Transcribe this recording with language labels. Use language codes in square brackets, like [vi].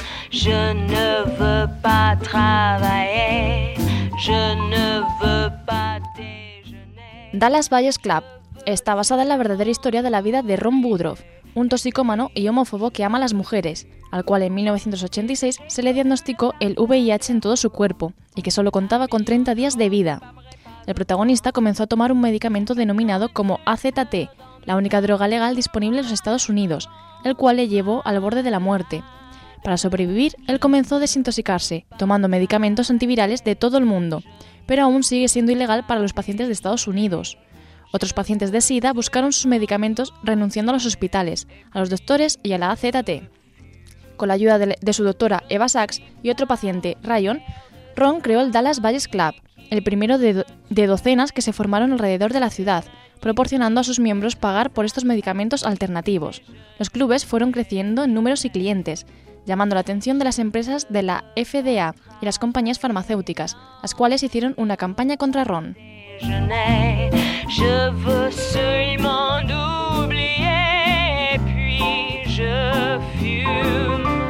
[fr] Je ne veux pas travailler, je ne veux pas déjeuner. [es] Dallas Buyers Club está basada en la verdadera historia de la vida de Ron Woodruff, un toxicómano y homófobo que ama a las mujeres, al cual en 1986 se le diagnosticó el VIH en todo su cuerpo y que solo contaba con 30 días de vida. El protagonista comenzó a tomar un medicamento denominado como AZT, la única droga legal disponible en los Estados Unidos, el cual le llevó al borde de la muerte. Para sobrevivir, él comenzó a desintoxicarse, tomando medicamentos antivirales de todo el mundo, pero aún sigue siendo ilegal para los pacientes de Estados Unidos. Otros pacientes de SIDA buscaron sus medicamentos renunciando a los hospitales, a los doctores y a la AZT. Con la ayuda de su doctora Eva Sachs y otro paciente, Ryan, Ron creó el Dallas Buyers Club, el primero de docenas que se formaron alrededor de la ciudad, proporcionando a sus miembros pagar por estos medicamentos alternativos. Los clubes fueron creciendo en números y clientes, llamando la atención de las empresas de la FDA y las compañías farmacéuticas, las cuales hicieron una campaña contra Ron. [fr] Je veux seulement oublier, puis je fume.